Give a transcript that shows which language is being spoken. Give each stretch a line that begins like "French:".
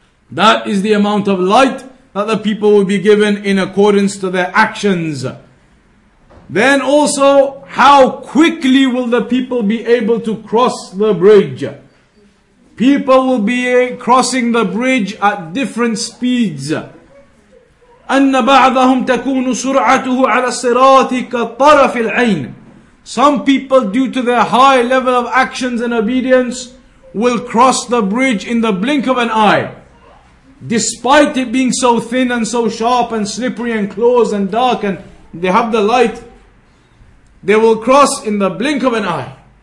English: That is the amount of light that the people will be given in accordance to their actions. Then also, how quickly will the people be able to cross the bridge? People will be crossing the bridge at different speeds.
Arabic: أَنَّ بَعْضَهُمْ تَكُونُ سُرْعَتُهُ عَلَى الصِّرَاطِ كَالطَّرَفِ الْعَيْنِ.
English: Some people, due to their high level of actions and obedience, will cross the bridge in the blink of an eye, despite it being so thin and so sharp and slippery and closed and dark, and they have the light, they will cross in the blink of an eye.